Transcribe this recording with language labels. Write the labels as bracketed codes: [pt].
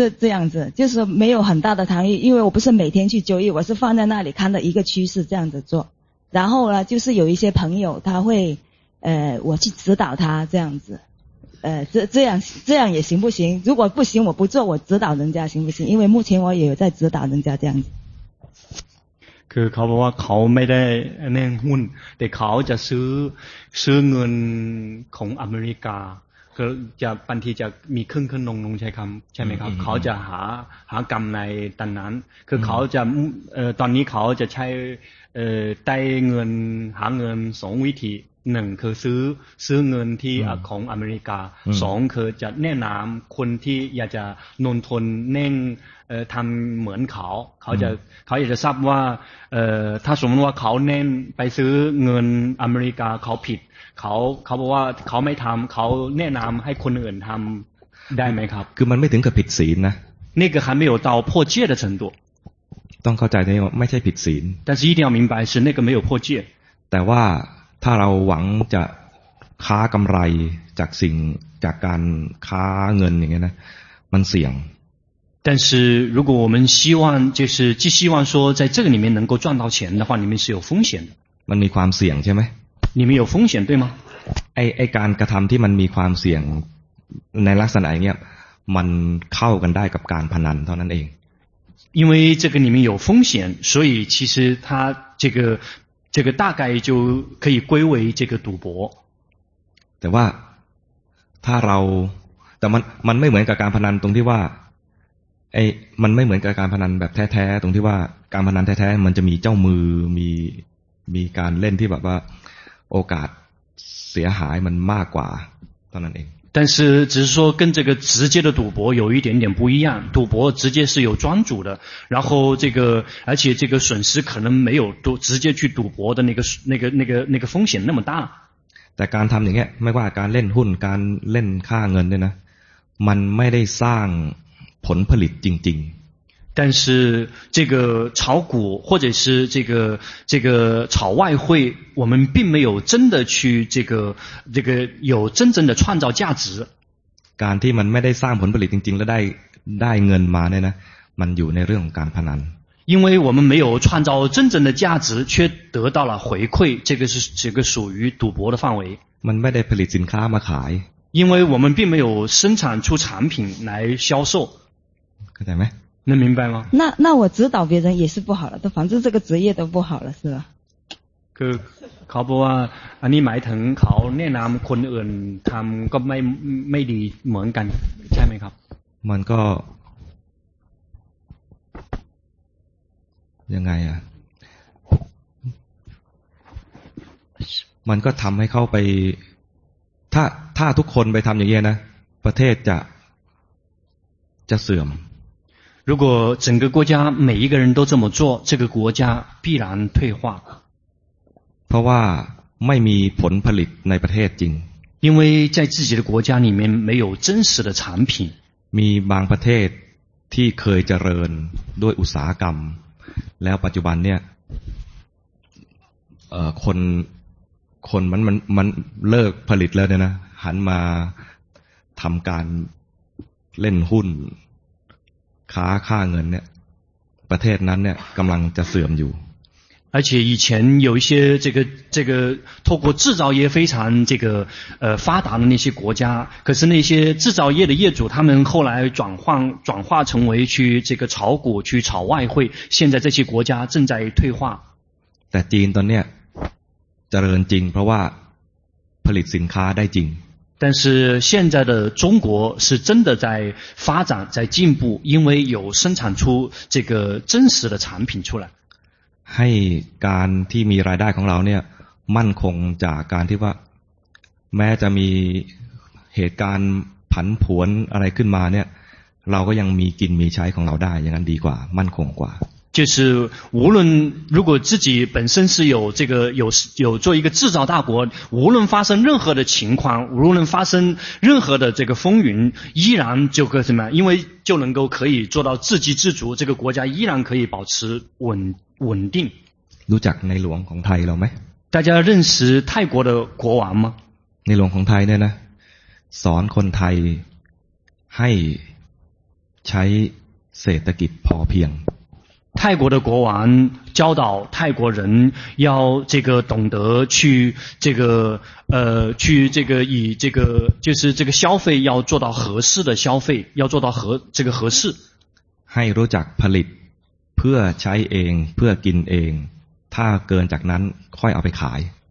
[zh] 这样子就是没有很大的贪欲，因为我不是每天去交易，我是放在那里看的一个趋势这样子做，然后呢，就是有一些朋友他会。我去指导他这样子，这样也行不行？如果不行，我不做，我指导人家行不行？因为目前我也有在指导人家这样子。 [th] คือเขาบอกว่าเขาไม่ได้เล่นหุ้นแต่เขาจะซื้อเงินของอเมริกาคือจะบางทีจะมีขึ้นลงใช้คำใช่ไหมครับเขาจะหากำในตอนนั้นคือเขาจะตอนนี้เขาจะใช้ ได้เงินหาเงินสองวิธีหนึ่งคือซื้อเงินที่ของอเมริกาสองคือจะแนะนำคนที่อยากจะลงทุนเน่งทำเหมือนเขาอยากจะทราบว่าถ้าสมมติว่าเขาเน่นไปซื้อเงินอเมริกาเขาผิดเขาบอกว่าเขาไม่ทำเขาแนะนำให้คนอื่นทำได้ไหมครับ คือมันไม่ถึงกับผิดศีลนะ นี่คือ [zh] 还没有到破戒的程度 [th] ต้องเข้าใจนะว่าไม่ใช่ผิดศีล [zh] 但是一定要明白是那个没有破戒 [th] แต่ว่าถ้าเราหวังจะค้ากำไรจากสิ่งจากการค้าเงินอย่างเงี้ยนะมันเสี่ยง [zh] 但是如果我们希望就是既希望说在这个里面能够赚到钱的话里面是有风险的 [th] มันมีความเสี่ยงใช่ไหม [zh] 你们有风险对吗 [th] ไอการกระทำที่มันมีความเสี่ยงในลักษณะอย่างเงี้ยมันเข้ากันได้กับการพนันเท่านั้นเอง [zh] 因为这个里面有风险所以其实它这个大概就可以归为这个赌博。 [th] แต่ว่าถ้าเราแต่มันไม่เหมือนกับการพนันตรงที่ว่าไอ้มันไม่เหมือนกับการพนันแบบแท้ๆตรงที่ว่าการพนันแท้ๆมันจะมีเจ้ามือมีการเล่นที่แบบว่าโอกาสเสียหายมันมากกว่าเท่านั้นเอง [zh] 但是只是说跟这个直接的赌博有一点点不一样，赌博直接是有庄主的，然后这个而且这个损失可能没有直接去赌博的那个风险那么大。 [th] แต่การทำอย่างเงี้ยไม่ว่าการเล่นหุ้นการเล่นค่าเงินเนี่ยนะมันไม่ได้สร้างผลผลิตจริง [zh] ๆ但是这个炒股或者是这个炒外汇我们并没有真的去这个有真正的创造价值 [th] การที่มันไม่ได้สร้างผลผลิตจริงๆแล้วได้เงินมาเนี่ยนะมันอยู่ในเรื่องการพนัน [zh] 因为我们没有创造真正的价值却得到了回馈这个属于赌博的范围 [th] มันไม่ได้ผลิตสินค้ามาขาย [zh] 因为我们并没有生产出产品来销售可以没能明白吗那我指导别人也是不好了反正这个职业都不好了是吧 [th] คือเขาบอกว่าอันนี้หมายถึงเขาแนะนำคนอื่นทำก็ไม่ดีเหมือนกันใช่ไหมครับ มันก็ยังไงอ่ะมันก็ทำให้เขาไปถ้าทุกคนไปทำอย่างนี้นะประเทศจะเสื่อม [zh] 如果整个国家每一个人都这么做这个国家必然退化 [th] เพราะว่าไม่มีผลผลิตในประเทศจริง [zh] 因为在自己的国家里面没有真实的产品 [th] มีบางประเทศที่เคยเจริญด้วยอุตสาหกรรมแล้วปัจจุบันเนี่ยคนมันเลิกผลิตแล้วเนี่ยนะหันมาทำการเล่นหุ้นค่าเงินเนี่ยประเทศนั้นเนี่ยกำลังจะเสื่อมอยู่ [zh] 而且以前有一些这个透过制造业非常发达的那些国家可是那些制造业的业主他们后来转化成为去这个炒股去炒外汇现在这些国家正在退化 [th] แต่จีนตอนเนี้ยเจริญจริงเพราะว่าผลิตสินค้าได้จริง [zh] 但是现在的中国是真的在发展在进步，因为有生产出这个真实的产品出来。 [th] ให้การที่มีรายได้ของเราเนี่ยมั่นคงจากการที่ว่าแม้จะมีเหตุการณ์ผันผวนอะไรขึ้นมาเนี่ยเราก็ยังมีกินมีใช้ของเราได้อย่างนั้นดีกว่ามั่นคงกว่า [zh] 就是无论如果自己本身是有这个有做一个制造大国，无论发生任何的情况，无论发生任何的这个风云，依然就个什么，因为就能够可以做到自给自足，这个国家依然可以保持稳定。 [th] รู้จักในหลวงของไทยเราไหม？ [zh] 大家认识泰国的国王吗？ [th] ในหลวงของไทยเนี่ยนะสอนคนไทยให้ใช้เศรษฐกิจพอเพียง。 [zh] 泰国的国王教导泰国人要这个懂得去这个去这个以这个就是这个消费要做到合适的消费，要做到合这个合适。 [th] ให้รู้จักผลิตเพื่อใช้เองเพื่อกินเองถ้าเกินจากนั้นค่อยเอาไปขาย。